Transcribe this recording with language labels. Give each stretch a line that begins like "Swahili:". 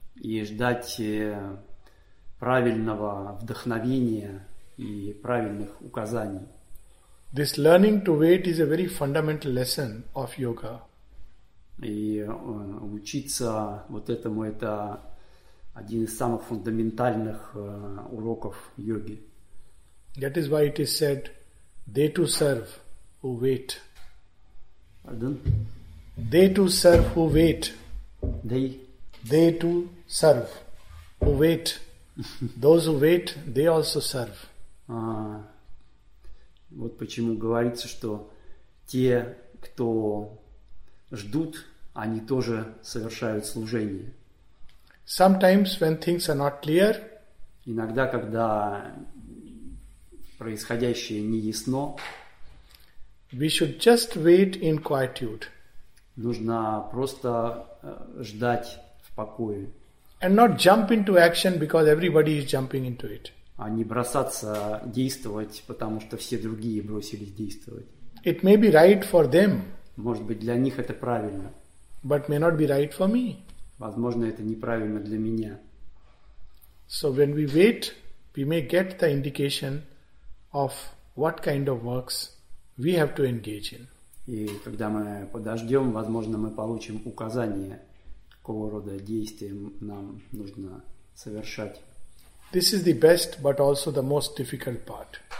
Russian: И ждать правильного вдохновения и правильных указаний.
English: This learning to wait is a very fundamental lesson of yoga.
Russian: И учиться вот этому — это один из самых фундаментальных уроков йоги.
English: That is why it is said, they to serve who wait. Pardon? They to serve who wait. They? They to serve who wait. Those who wait, they also serve.
Russian: Вот почему говорится, что те, кто ждут, они тоже совершают служение.
English: Sometimes when things are not clear,
Russian: иногда, когда происходящее не ясно,
English: we should just wait in quietude.
Russian: Нужно просто ждать в покое.
English: And not jump into action because everybody is jumping into it.
Russian: А не бросаться действовать, потому что все другие бросились действовать.
English: It may be right for them.
Russian: Может быть, для них это правильно.
English: But may not be right for me.
Russian: Возможно, это неправильно для меня.
English: So when we wait, we may get the indication of what kind of works we have to engage in.
Russian: И когда мы подождем, возможно, мы получим указание, какого рода действия нам нужно совершать.
English: This is the best, but also the most difficult part.